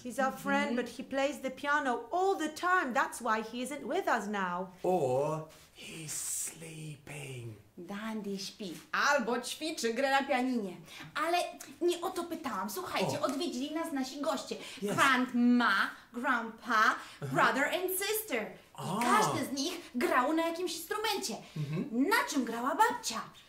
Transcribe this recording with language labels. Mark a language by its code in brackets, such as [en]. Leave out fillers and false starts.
[en] He's our friend, but he plays the piano all the time. That's why he isn't with us now. Or he's sleeping. [pl] Dandy śpi. Albo ćwiczy grę na pianinie. Ale nie o to pytałam. Słuchajcie, odwiedzili nas nasi goście. [en] Yes. Grandma, grandpa, brother and sister. [pl] Każdy z nich grał na jakimś instrumencie. Na czym grała babcia?